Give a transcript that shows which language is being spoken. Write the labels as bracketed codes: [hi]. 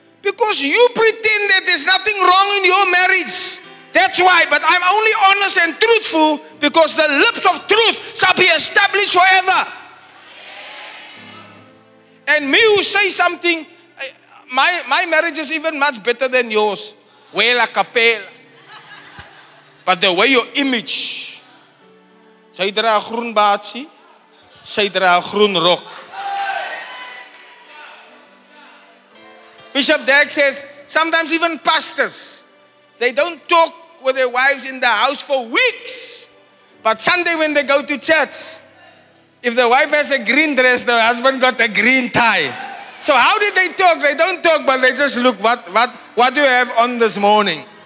[en] Because you pretend that there's nothing wrong in your marriage. That's why. But I'm only honest and truthful because the lips of truth shall be established forever. And me who say something, my marriage is even much better than yours. Well, a capella. But the way your image, [nl] zij draagt groen baatje, zij draagt groen rok. [en] Bishop Dagg says, sometimes even pastors, they don't talk with their wives in the house for weeks. But Sunday when they go to church, if the wife has a green dress, the husband got a green tie. So how did they talk? They don't talk, but they just look, what do you have on this morning?